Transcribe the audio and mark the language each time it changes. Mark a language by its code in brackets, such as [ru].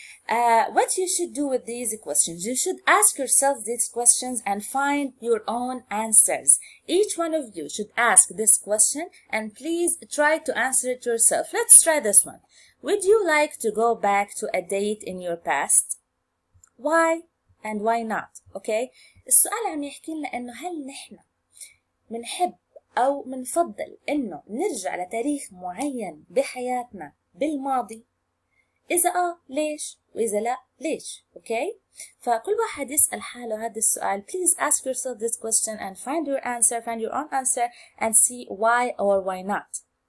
[en] What you should do with these questions? You should ask yourself these questions and find your own answers. Each one of you should ask this question and please try to answer it yourself. Let's try this one. Would you like to go back to a date in your past? Why and why not? Okay? [ar] السؤال عم يحكي لنا انه هل نحن منحب او منفضل انه نرجع لتاريخ معين بحياتنا بالماضي؟ إذا ليش؟ وإذا لا ليش؟ okay؟ فكل واحد يسأل حاله هذا السؤال. [en] Please ask yourself this question and find your answer, find your own answer and see why or why not.